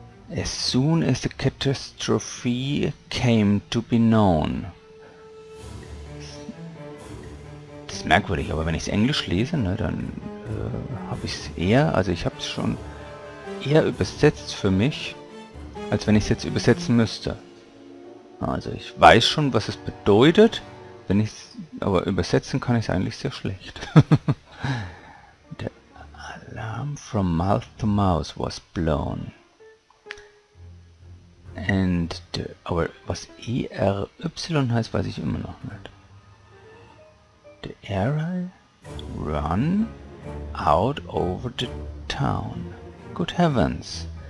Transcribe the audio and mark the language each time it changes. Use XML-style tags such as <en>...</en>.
<en>As soon as the catastrophe came to be known.</en> <de>Das ist merkwürdig, aber wenn ich es Englisch lese, ne, dann habe ich es eher, also ich habe es schon eher übersetzt für mich, als wenn ich es jetzt übersetzen müsste. Also ich weiß schon, was es bedeutet, wenn ich's, aber übersetzen kann ich es eigentlich sehr schlecht.</de> <en>The alarm from mouth to mouth was blown. And the,</en> <de>aber was ERY heißt, weiß ich immer noch nicht.</de> <en>The air run out over the town. Good heavens.</en>